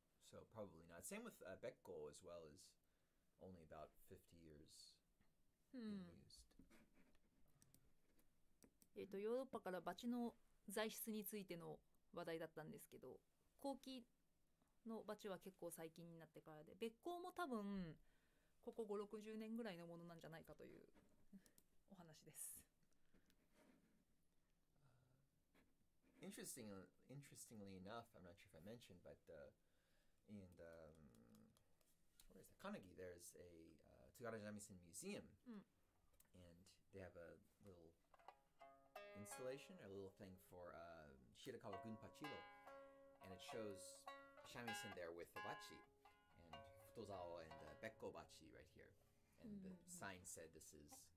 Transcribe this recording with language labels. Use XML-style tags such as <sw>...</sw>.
<en>So probably not. Same with bekko as well, as only about 50 years being used.</en> <ja>ヨーロッパからバチの材質についての話題だったんですけど、後期のバチは結構最近になってからで、べっ甲も多分ここ5、60年ぐらいのものなんじゃないかというお話です。</ja> <en>Interestingly enough, I'm not sure if I mentioned, but in the where is the Kanagi, there's a Tsugaru Jamisen Museum, and they have a littleinstallation, a little thing for Shirakawa Gunpachiro, and it shows shamisen there with the bachi and futozao and the bekko bachi right here, and the sign said this is</en>